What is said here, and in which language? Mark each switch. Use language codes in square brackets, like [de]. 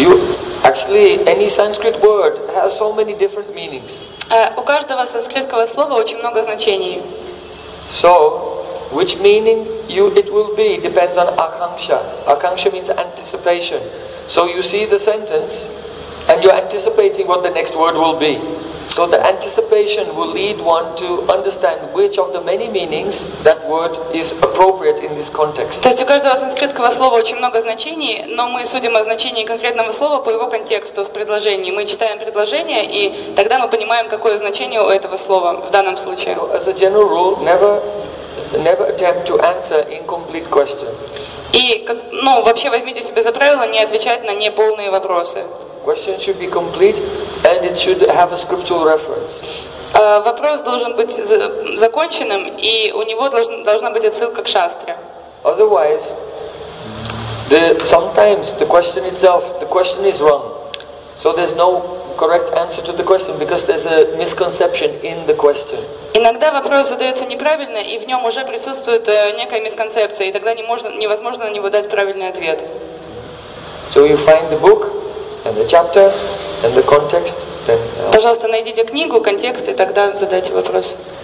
[en] you actually any Sanskrit word has so many different meanings. [ru] У каждого санскритского слова очень много значений. [en] So which meaning you it will be depends on akanksha. Akanksha means anticipation. So you see the sentence and you're anticipating what the next word will be. So the anticipation will lead one to understand which of the many meanings that word is appropriate in this context. [ru] То есть у каждого санскритского слова очень много значений, но мы судим о значении конкретного слова по его контексту в предложении. Мы читаем предложение, и тогда мы понимаем, какое значение у этого слова в данном случае. [en] As a general rule, never attempt to answer incomplete question. [ru] И как, ну, вообще возьмите себе за правило не отвечать на неполные вопросы. [en] Question should be complete and it should have a scriptural reference. [ru] Вопрос должен быть законченным и у него должна быть отсылка к шастре. [en] Otherwise, sometimes the question itself, the question is wrong. So there's no correct answer to the question because there's a misconception in the question. [ru] Иногда вопрос задается неправильно, и в нем уже присутствует некая мисконцепция, и тогда невозможно на него дать правильный ответ. [en] So you find the book and the chapter and the context, then. [ru] Пожалуйста, найдите книгу, контекст, и тогда задайте вопрос.